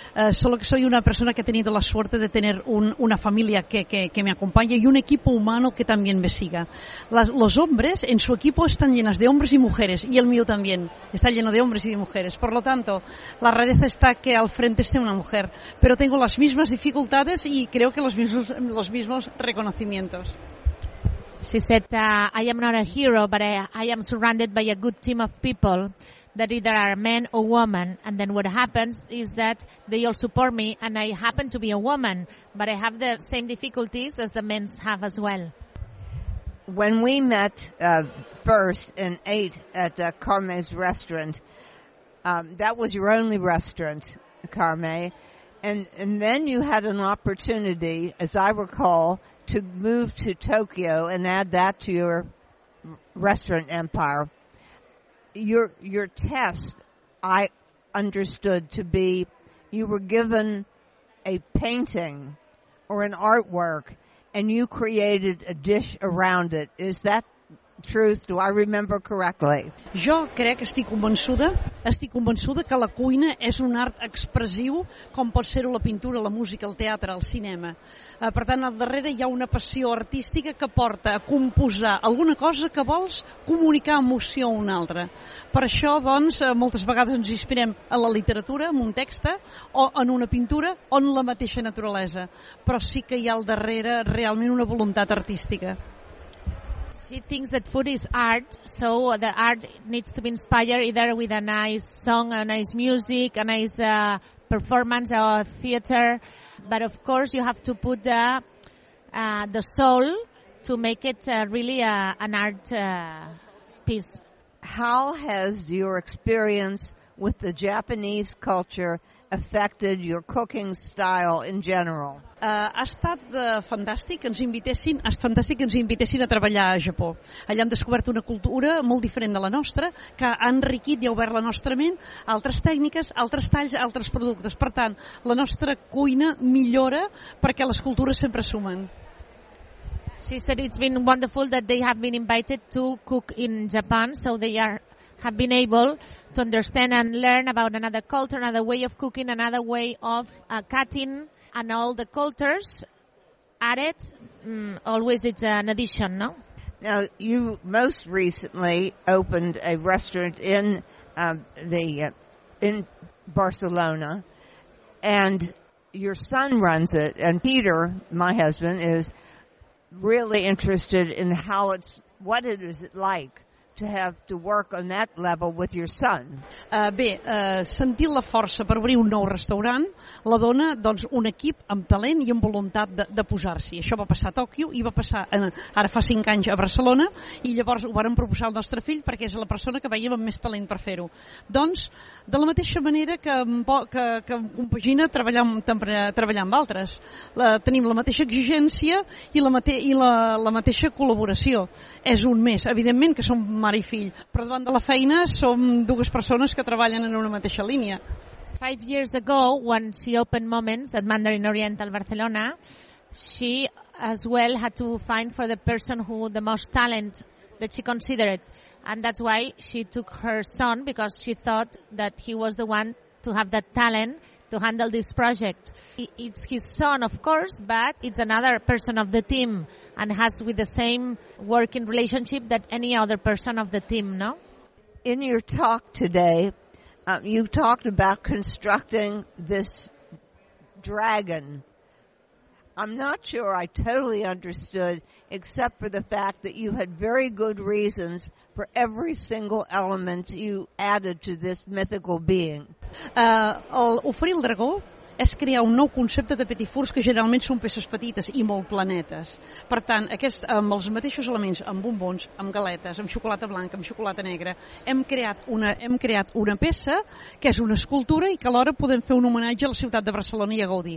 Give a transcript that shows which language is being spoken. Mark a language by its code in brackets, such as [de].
[es] Solo que soy una persona que ha tenido la suerte de tener una familia que me acompañe y un equipo humano que también me siga. Los hombres en su equipo están llenas de hombres y mujeres, y el mío también está lleno de hombres y de mujeres. Por lo tanto, la rareza está que al frente esté una mujer. Pero tengo las mismas dificultades y creo que los mismos reconocimientos. [en] She said, I am not a hero, but I am surrounded by a good team of people. That either are men or women, and then what happens is that they all support me, and I happen to be a woman, but I have the same difficulties as the men have as well. When we met first and ate at Carme's restaurant, that was your only restaurant, Carme, and then you had an opportunity, as I recall, to move to Tokyo and add that to your restaurant empire. Your test, I understood to be, you were given a painting or an artwork, and you created a dish around it. Is that truth? Do I remember correctly? [ca] Jo crec, estic convençuda que la cuina és un art expressiu, com pot ser-ho la pintura, la música, el teatre, el cinema. Per tant, al darrere hi ha una passió artística que porta a composar alguna cosa que vols comunicar emoció a una altra. Per això, doncs, moltes vegades ens inspirem en la literatura, en un text, o en una pintura, o en la mateixa naturalesa. Però sí que hi ha al darrere realment una voluntat artística. [en] She thinks that food is art, so the art needs to be inspired either with a nice song, a nice music, a nice performance or theater. But of course, you have to put the soul to make it really an art piece. How has your experience with the Japanese culture affected your cooking style in general? [ca] Ha estat fantàstic que ens invitessin a treballar a Japó. Allà hem descobert una cultura molt diferent de la nostra, que ha enriquit i ha obert la nostra ment, altres tècniques, altres talls, altres productes. Per tant, la nostra cuina millora perquè les cultures sempre sumen. [en] She said it's been wonderful that they have been invited to cook in Japan, so they have been able to understand and learn about another culture, another way of cooking, another way of cutting, and all the cultures added, always it's an addition, no? Now, you most recently opened a restaurant in Barcelona, and your son runs it, and Peter, my husband, is really interested in what it is like to have to work on that level with your son. [ca] Sentir la força per obrir un nou restaurant, la dona doncs un equip amb talent i amb voluntat de posar-s'hi. Això va passar a Tòquio i va passar ara fa 5 anys a Barcelona, i llavors ho vàrem proposar al nostre fill perquè és la persona que veiem amb més talent per fer-ho. Doncs, de la mateixa manera que compagina treballar amb altres. Tenim la mateixa exigència i la mateixa col·laboració. És un mes, evidentment que som mare i fill, però davant de la feina som dues persones que treballen en una mateixa línia. [en] 5 years ago, when she opened Moments at Mandarin Oriental Barcelona, she as well had to find for the person who the most talent that she considered. And that's why she took her son, because she thought that he was the one to have that talent to handle this project. It's his son, of course, but it's another person of the team and has with the same working relationship that any other person of the team, no? In your talk today, you talked about constructing this dragon. I'm not sure I totally understood, except for the fact that you had very good reasons for every single element you added to this mythical being. [ca] Oferir el dragó és crear un nou concepte de petifurs que generalment són peces petites i molt planetes. Per tant, aquest, amb els mateixos elements, amb bombons, amb galetes, amb xocolata blanca, amb xocolata negra, hem creat una peça que és una escultura i que alhora podem fer un homenatge a la ciutat de Barcelona i a Gaudí.